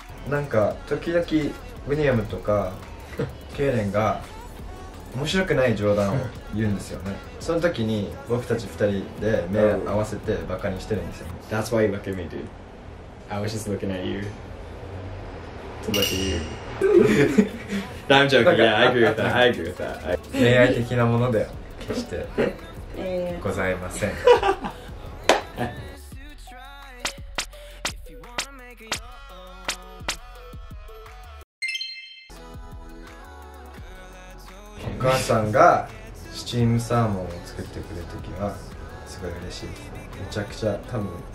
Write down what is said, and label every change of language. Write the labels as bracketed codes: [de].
[ja] なんか時々ウィリアムとかケイレンが面白くない冗談を言うんですよね。その時に僕たち二人で目合わせてバカにしてるんですよ。 [en] That's why you look at me, dude. I was just looking at you to look at you. I'm joking. Yeah, I agree with that. I agree with that. [ja] 恋愛的なものでは決してございません。お母さんがスチームサーモンを作ってくれるときはすごい嬉しいです、ね、めちゃくちゃ多分